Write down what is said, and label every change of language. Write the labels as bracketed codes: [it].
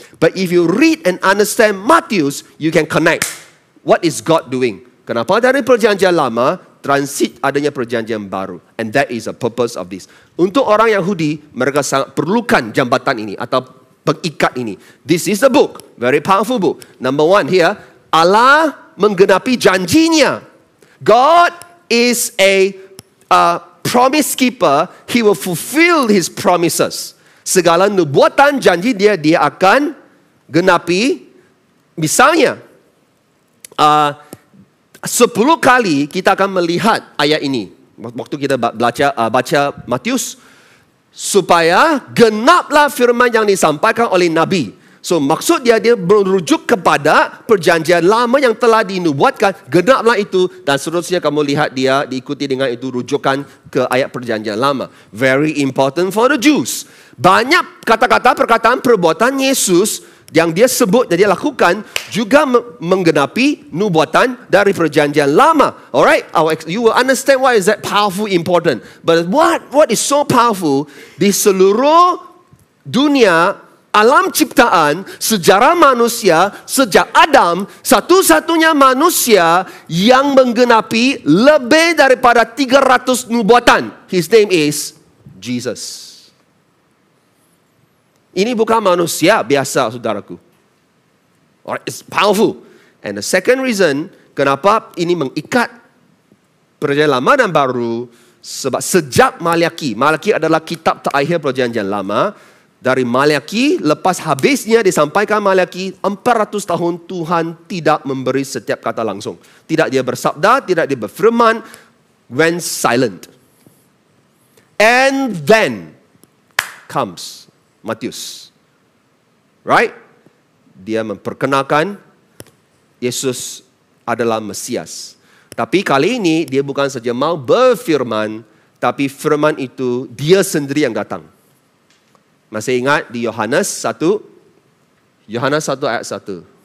[en] But if you read and understand Matthew, you can connect what is God doing. [ms] Kenapa dari perjanjian lama transit adanya perjanjian baru? [en] And that is the purpose of this. [ms] Untuk orang Yahudi, mereka sangat perlukan jambatan ini atau pengikat ini. [en] This is the book, very powerful book. Number one here, [ms] Allah menggenapi janjinya. [en] God is a promise keeper. He will fulfill his promises. [ms] Segala nubuatan janji dia, dia akan genapi. Misalnya, 10 kali kita akan melihat ayat ini. Waktu kita baca baca Matius. Supaya genaplah firman yang disampaikan oleh Nabi. So maksud dia, dia merujuk kepada perjanjian lama yang telah dinubuatkan. Genaplah itu. Dan seterusnya kamu lihat dia diikuti dengan itu rujukan ke ayat perjanjian lama. [en] Very important for the Jews. [ms] Banyak kata-kata, perkataan, perbuatan Yesus yang dia sebut dan dia lakukan juga menggenapi nubuatan dari perjanjian lama. [en] Alright, you will understand why is that powerful, important. But what is so powerful, [ms] di seluruh dunia, alam ciptaan, sejarah manusia, sejak Adam, satu-satunya manusia yang menggenapi lebih daripada 300 nubuatan. [en] His name is Jesus. [ms] Ini bukan manusia biasa, saudaraku. [en] Alright, it's powerful. And the second reason, [ms] kenapa ini mengikat perjanjian lama dan baru, sebab sejak Maleakhi, Maleakhi adalah kitab terakhir perjanjian lama, dari Maleakhi, lepas habisnya disampaikan Maleakhi, 400 tahun Tuhan tidak memberi setiap kata langsung. Tidak dia bersabda, tidak dia berfirman, [en] went silent. And then comes Matius, right? [ms] Dia memperkenalkan Yesus adalah Mesias. Tapi kali ini dia bukan saja mau berfirman, tapi firman itu dia sendiri yang datang. Masih ingat di Yohanes 1? Yohanes 1 ayat 1.